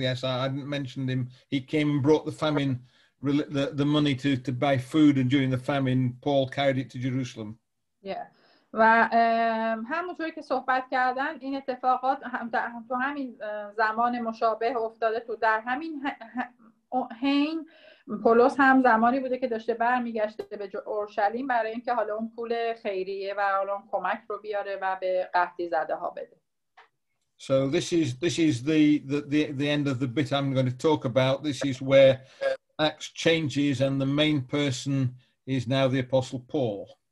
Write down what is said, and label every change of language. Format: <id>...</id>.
<en>yes, I hadn't mentioned him. He came and brought the famine. The money to buy food and during the famine Paul carried it to Jerusalem. Yeah.</en> <fa>و همونطوری که صحبت کردن این اتفاقات تو همین زمان مشابه افتاده تو در همین حین پولس هم زمانی بوده که داشته برمیگشته به اورشلیم برای اینکه حالا اون پول خیریه و حالا اون کمک رو بیاره و به قحطی زده ها بده.</fa> <en>So this is the end of the bit I'm going to talk about. This is where Acts changes and the main person is now the Apostle Paul.</en>